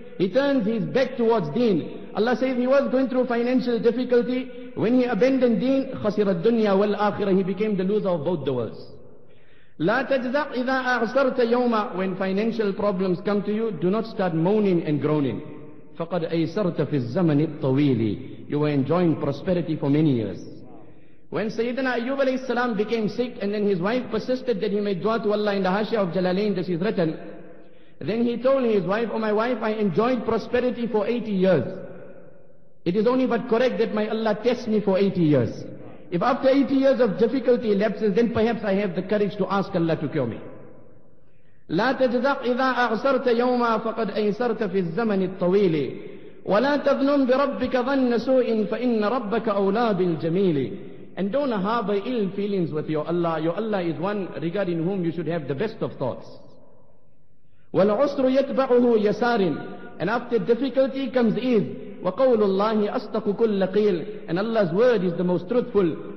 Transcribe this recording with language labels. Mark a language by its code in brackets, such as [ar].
[en] He turns his back towards deen. Allah says he was going through financial difficulty. When he abandoned deen, [ar] خَسِرَ الدُّنْيَا وَالْآخِرَةِ. [en] He became the loser of both the worlds. [ar] لا تجزع إذا أعسرت يوما. [en] When financial problems come to you, do not start moaning and groaning. [ar] فقد أيسرت في الزمن الطويل. [en] You were enjoying prosperity for many years. When Sayyidina Ayyub alayhi salam became sick, and then his wife persisted that he made dua to Allah in the Hashia of Jalalain, this is written, then he told his wife, oh my wife, I enjoyed prosperity for 80 years. It is only but correct that my Allah tests me for 80 years. If after 80 years of difficulty elapses, then perhaps I have the courage to ask Allah to cure me. [ar] لا تجزق إذا أعسرت يوما فقد أيسرت في الزمن الطويل ولا تظنن بربك ظن سوء فإن ربك أولى بالجميل. [en] And don't harbor ill feelings with your Allah. Your Allah is one regarding whom you should have the best of thoughts. [ar] وَالْعُسْرُ يَتْبَعُهُ يَسَارٍ. [en] And after difficulty comes ease. [ar] وَقَوْلُ اللَّهِ أَصْدَقُ كُلَّ قِيلٍ. [en] And Allah's word is the most truthful.